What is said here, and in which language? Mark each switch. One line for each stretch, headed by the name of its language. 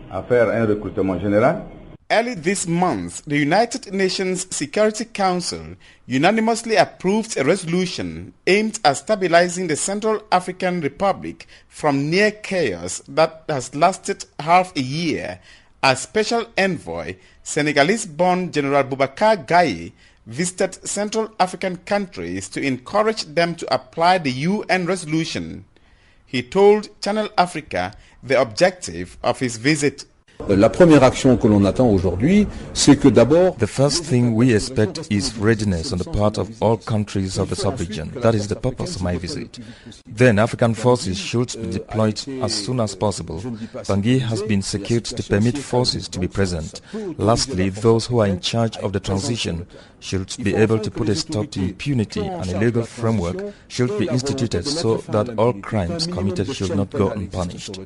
English: Early this month, the United Nations Security Council unanimously approved a resolution aimed at stabilizing the Central African Republic from near chaos that has lasted half a year, as Special Envoy, Senegalese-born General Boubacar Gaye, visited Central African countries to encourage them to apply the UN resolution. He told Channel Africa the objective of his visit.
French: La première action que l'on attend aujourd'hui, c'est que d'abord...
English: The first thing we expect is readiness on the part of all countries of the sub-region. That is the purpose of my visit. Then African forces should be deployed as soon as possible. Bangui has been secured to permit forces to be present. Lastly, those who are in charge of the transition should be able to put a stop to impunity, and a legal framework should be instituted so that all crimes committed should not go unpunished.